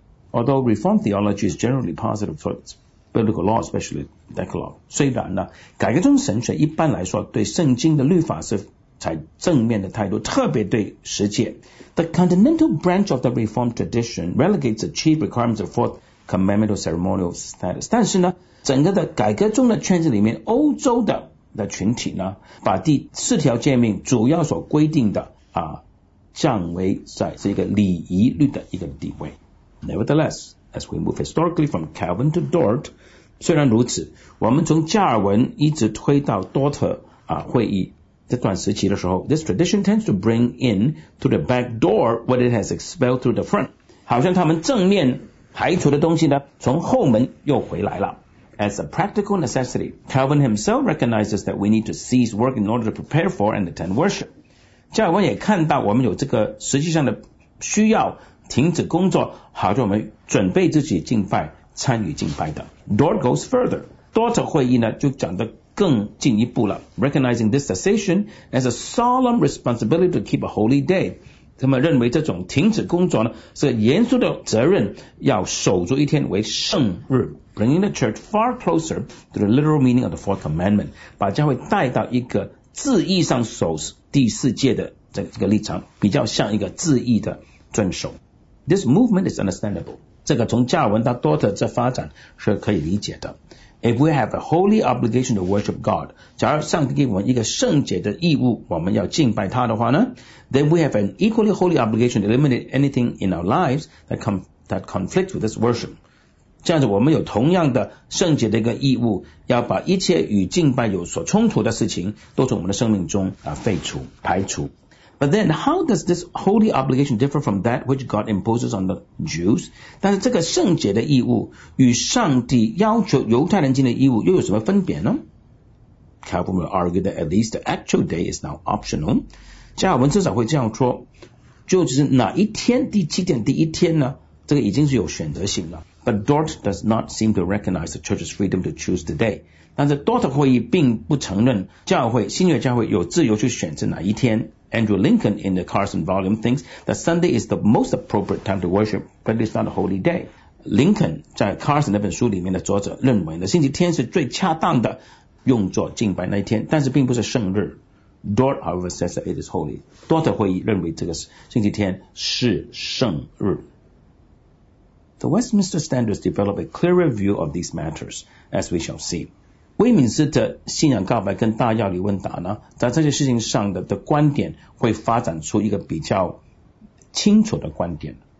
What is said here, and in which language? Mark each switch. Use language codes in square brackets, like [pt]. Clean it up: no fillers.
[en] Although Reformed theology is generally positive towards biblical law, especially Decalogue, [zh] 虽然呢，改革宗神学一般来说对圣经的律法是采正面的态度，特别对十诫。 [en] The continental branch of the Reformed tradition relegates the chief requirements of fourth commandmental ceremonial status. [zh] 但是呢，整个的改革宗的圈子里面，欧洲的群体呢，把第四条诫命主要所规定的啊，降为在这个礼仪律的一个地位。 [en] Nevertheless, as we move historically from Calvin to Dort, [zh] 虽然如此，我们从加尔文一直推到多特啊会议这段时期的时候 [en] ，this tradition tends to bring in through the back door what it has expelled through the front. [zh] 好像他们正面排除的东西呢，从后门又回来了。 [en] As a practical necessity, Calvin himself recognizes that we need to cease work in order to prepare for and attend worship. [zh] 加尔文也看到我们有这个实际上的需要。停止工作，好像我们准备自己敬拜、参与敬拜的。 [en] Dort goes further. [zh] 多特会议呢，就讲得更进一步了。 [en] Recognizing this cessation as a solemn responsibility to keep a holy day. [zh] 他们认为这种停止工作呢，是严肃的责任，要守住一天为圣日。 [en] Bringing the church far closer to the literal meaning of the fourth commandment. [zh] 把教会带到一个字义上守第四诫的这个立场，比较像一个字义的遵守。 [en] This movement is understandable. [zh] 这个从加尔文到多特这发展是可以理解的。 [en] If we have a holy obligation to worship God, [zh] 假如上帝给我们一个圣洁的义务，我们要敬拜他的话呢 [en] ，then we have an equally holy obligation to eliminate anything in our lives that conflicts with this worship. [zh] 这样子，我们有同样的圣洁的一个义务，要把一切与敬拜有所冲突的事情，都从我们的生命中啊废除、排除。 [en] But then, how does this holy obligation differ from that which God imposes on the Jews? [zh] 但是这个圣洁的义务与上帝要求犹太人尽的义务又有什么分别呢？ [en] Calvin will argue that at least the actual day is now optional. [zh] 加尔文至少会这样说，就是哪一天，第七天，第一天呢？这个已经是有选择性了。 [en] But Dort does not seem to recognize the church's freedom to choose the day. [zh] 但是多特会议并不承认教会，新约教会有自由去选择哪一天。 [en] Andrew Lincoln in the Carson volume thinks that Sunday is the most appropriate time to worship, but it's not a holy day. [zh] Lincoln 在 Carson 那本书里面的作者认为呢，星期天是最恰当的用作敬拜那一天，但是并不是圣日。 [en] Dort, however, says that it is holy. [zh] 多特会议认为这个星期天是圣日。 [en] The Westminster Standards develop a clearer view of these matters, as we shall see. [zh] 威敏斯特信仰告白跟大药理问答呢，在这些事情上的观点会发展出一个比较清楚的观点。